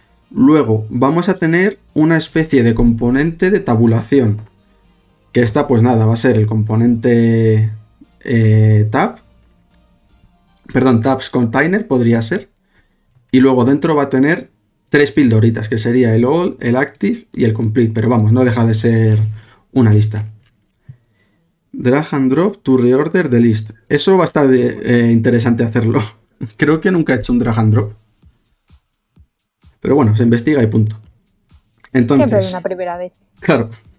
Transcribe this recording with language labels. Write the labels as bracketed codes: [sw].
[es] Luego, vamos a tener una especie de componente de tabulación, que esta, pues nada, va a ser el componente tabs container, podría ser. Y luego dentro va a tener tres pildoritas, que sería el all, el active y el complete. Pero vamos, no deja de ser una lista. [en] Drag and drop to reorder the list. [es] Eso va a estar interesante hacerlo. Creo que nunca he hecho un drag and drop. Pero bueno, se investiga y punto. Entonces, siempre una primera vez. Claro.